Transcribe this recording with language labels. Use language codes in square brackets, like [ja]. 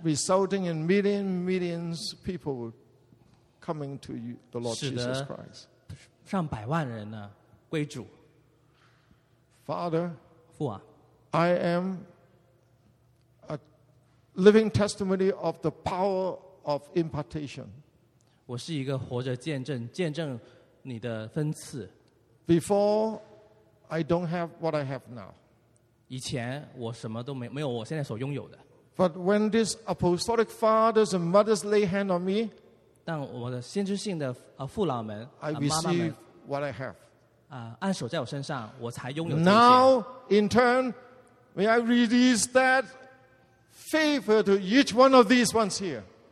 [en] resulting in millions of people coming to you, the Lord [zh] 使得, [en] Jesus Christ. [zh] 上百万人呢, 归主。 [en] Father, [zh] 父啊, [en] I am a living testimony of the power of impartation. [zh] 我是一个活着见证, 你的分赐, [en] Before, I don't have what I have now. [zh] 以前我什么都没有我现在所拥有的。 [en] But when these apostolic fathers and mothers lay hand on me, [zh] 当我的先知性的, 父老们, [en] I receive what I have. [zh] 按手在我身上, 我才拥有这些。 [en] Now, in turn, may I release that favor to each one of these ones here.